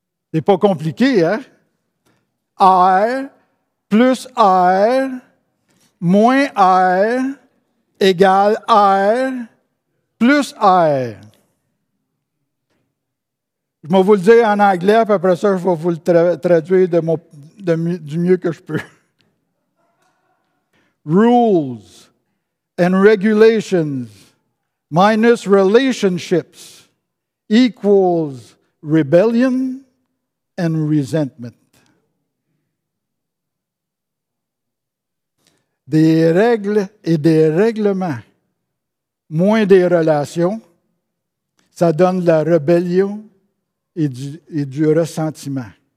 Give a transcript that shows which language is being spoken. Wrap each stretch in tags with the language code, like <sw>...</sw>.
<fr>Ce n'est pas compliqué, hein? R plus R moins R égale R plus R. Je vais vous le dire en anglais, puis après ça, je vais vous le traduire du mieux que je peux.</fr> <en>Rules and regulations minus relationships equals rebellion and resentment.</en> <fr>Des règles et des règlements, moins des relations, ça donne la rébellion et du ressentiment.</fr>